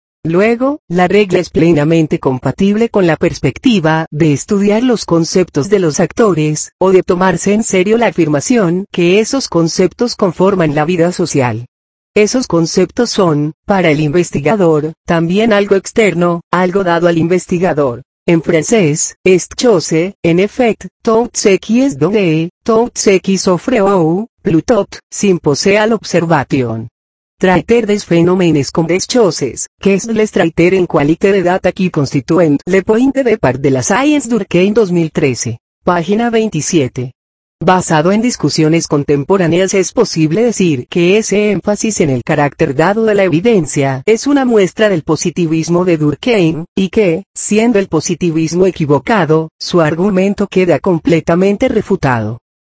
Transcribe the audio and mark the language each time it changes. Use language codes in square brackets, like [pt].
[es] Luego, la regla es plenamente compatible con la perspectiva de estudiar los conceptos de los actores, o de tomarse en serio la afirmación que esos conceptos conforman la vida social. Esos conceptos son, para el investigador, también algo externo, algo dado al investigador. En francés, [fr] est chose, en effet, tout ce qui est donné, tout ce qui s'offre ou, plutôt, s'impose à l'observation. Traiter des phénomènes comme des choses, qu'est-ce les traiter en qualité de data qui constituent le point de départ de la science. [es] Durkheim 2013. Página 27. Basado en discusiones contemporáneas es posible decir que ese énfasis en el carácter dado de la evidencia es una muestra del positivismo de Durkheim, y que, siendo el positivismo equivocado, su argumento queda completamente refutado.